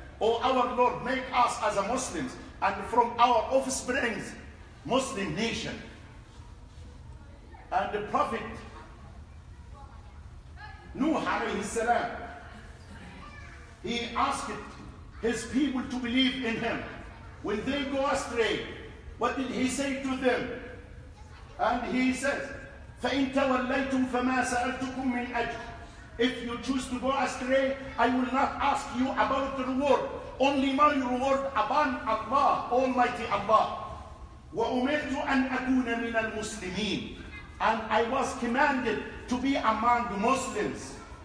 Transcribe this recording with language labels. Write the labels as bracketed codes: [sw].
[en] Oh, our Lord, make us as a Muslims and from our offsprings, Muslim nation. And the Prophet Nuh alayhi salam, he asked his people to believe in him. When they go astray, what did he say to them? And he says, [ar] فَإِن تَوَلَّيْتُمْ فَمَا سَأَلْتُكُمْ مِنْ أَجْرٍ. [en] If you choose to go astray, I will not ask you about the reward. Only my reward upon Allah, Almighty Allah. [ar] وَأُمِرْتُ أَنْ أَكُونَ مِنَ الْمُسْلِمِينَ. [en] And I was commanded to be among the Muslims.